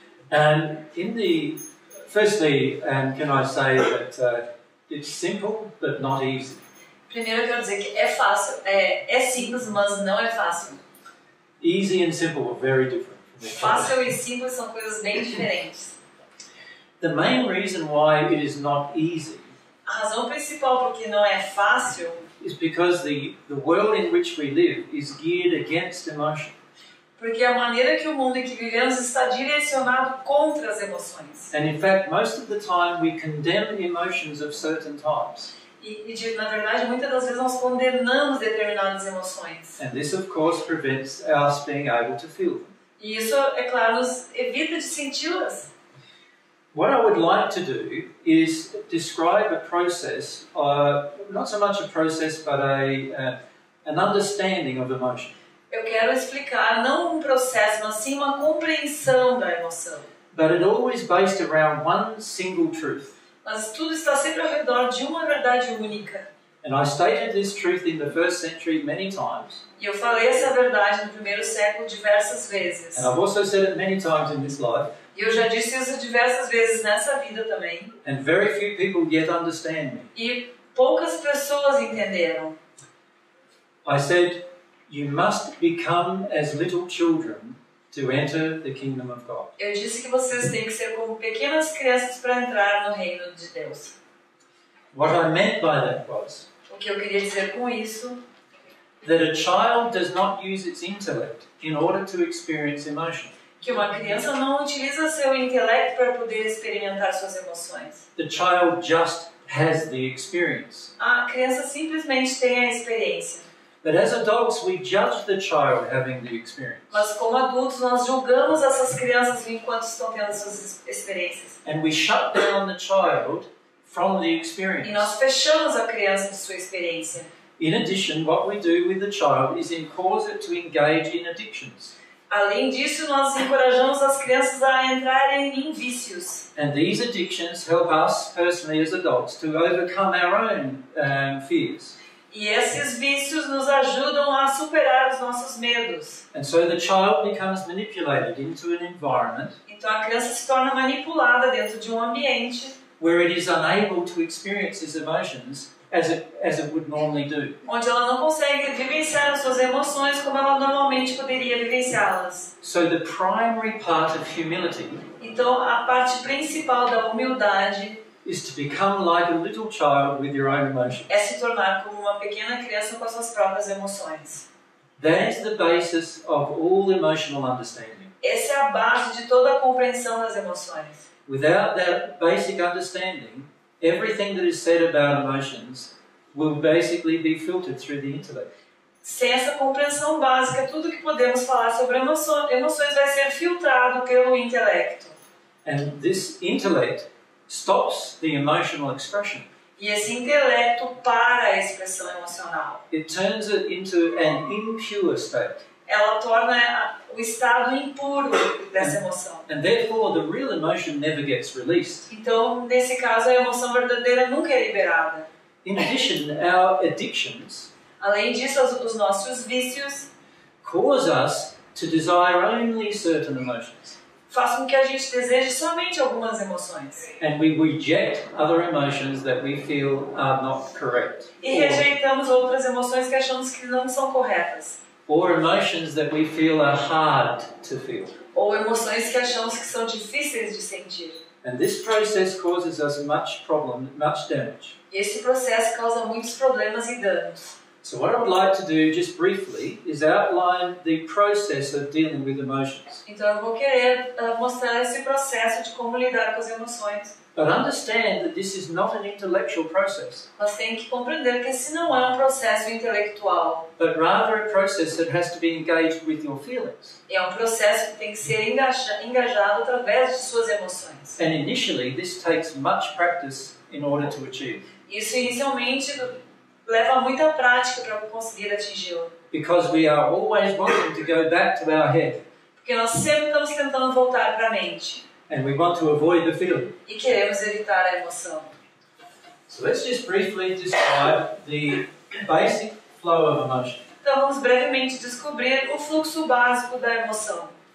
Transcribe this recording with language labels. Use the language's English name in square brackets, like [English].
[English] Can I say that it's simple but not easy. [Portuguese] Primeiro eu quero dizer que é fácil, é simples, mas não é fácil. [English] Easy and simple are very different. [Portuguese] Fácil e simples são coisas bem diferentes. [English] The main reason why it is not easy. [Portuguese] A razão principal porque não é fácil. [English] Is because the world in which we live is geared against emotion. [Portuguese] Porque a maneira que o mundo em que vivemos está direcionado contra as emoções. [English] And in fact, most of the time we condemn emotions of certain types. [Portuguese] E na verdade, muitas das vezes nós condenamos determinadas emoções. [English] And this, of course, prevents us being able to feel them. [Portuguese] E isso, é claro, nos evita de senti-las. [English] What I would like to do is describe a process, not so much a process, but an understanding of emotion. [Portuguese] Eu quero explicar não um processo, mas sim uma compreensão da emoção. [English] But it always based around one single truth. [Portuguese] Mas tudo está sempre ao redor de uma verdade única. [English] And I stated this truth in the first century many times. [Portuguese] E eu falei essa verdade no primeiro século diversas vezes. [English] And I've also said it many times in this life. [Portuguese] E eu já disse isso diversas vezes nessa vida também. [English] And very few people yet understand me. [Portuguese] E poucas pessoas entenderam. [English] I said, you must become as little children to enter the kingdom of God. [Portuguese] Eu disse que vocês têm que ser como pequenas crianças para entrar no reino de Deus. [English] What I meant by that was, [Portuguese] o que eu queria dizer com isso, [English] that a child does not use its intellect in order to experience emotion. [Portuguese] Que uma criança não utiliza seu intelecto para poder experimentar suas emoções. [English] The child just has the experience. [Portuguese] A criança simplesmente tem a experiência. [English] But as adults, we judge the child having the experience. [Portuguese] Mas como adultos, nós julgamos essas crianças enquanto estão tendo suas experiências. [English] And we shut down the child from the experience. [Portuguese] E nós fechamos a criança de sua experiência. [English] In addition, what we do with the child is cause it to engage in addictions. [Portuguese] Além disso, nós encorajamos as crianças a entrarem em vícios. [English] And these addictions help us personally as adults to overcome our own fears. [Portuguese] E esses vícios nos ajudam a superar os nossos medos. [English] And so the child becomes manipulated into an environment. [Portuguese] Então a criança se torna manipulada dentro de um ambiente [English] where it is unable to experience its emotions as it would normally do. [Portuguese] Onde ela não consegue vivenciar suas emoções como ela normalmente poderia vivenciá-las. [English] So the primary part of humility. [Portuguese] Então a parte principal da humildade [English] is to become like a little child with your own emotions. [Portuguese] É se tornar como uma pequena criança com as suas próprias emoções. [English] That is the basis of all emotional understanding. [Portuguese] Essa é a base de toda a compreensão das emoções. [English] Without that basic understanding, everything that is said about emotions will basically be filtered through the intellect. [Portuguese] Sem essa compreensão básica, tudo que podemos falar sobre emoções vai ser filtrado pelo intelecto. [English] And this intellect stops the emotional expression. [Portuguese] E esse intelecto para a expressão emocional. [English] It turns it into an impure state. [Portuguese] Ela torna o estado impuro dessa emoção. [English] And therefore, the real emotion never gets released. [Portuguese] Então, nesse caso, a emoção verdadeira nunca é liberada. [English] In addition, our addictions. [Portuguese] Além disso, os nossos vícios [English] cause us to desire only certain emotions. [Portuguese] Faz com que a gente deseje somente algumas emoções. [English] And we reject other emotions that we feel are not correct. [Portuguese] E rejeitamos outras emoções que achamos que não são corretas. [English] Or emotions that we feel are hard to feel. [Portuguese] Ou emoções que achamos que são difíceis de sentir. [English] And this process causes us much problem, much damage. [Portuguese] Esse processo causa muitos problemas e danos. [English] So what I would like to do, just briefly, is outline the process of dealing with emotions. [Portuguese] Então eu vou querer mostrar esse processo de como lidar com as emoções. [English] But understand that this is not an intellectual process. [Portuguese] Mas tem que compreender que esse não é um processo intelectual. [English] But rather a process that has to be engaged with your feelings. [Portuguese] É um processo que tem que ser engajado através de suas emoções. [English] And initially, this takes much practice in order to achieve. [Portuguese] Isso inicialmente leva muita prática para conseguir atingi-lo. [English] because we are always wanting to go back to our head. [Portuguese] Porque nós sempre estamos tentando voltar para a mente. [English] And we want to avoid the feeling. [Portuguese] E queremos evitar a emoção. [English] So let's just briefly describe the basic flow of emotion. [Portuguese] Então vamos brevemente descobrir o fluxo básico da emoção.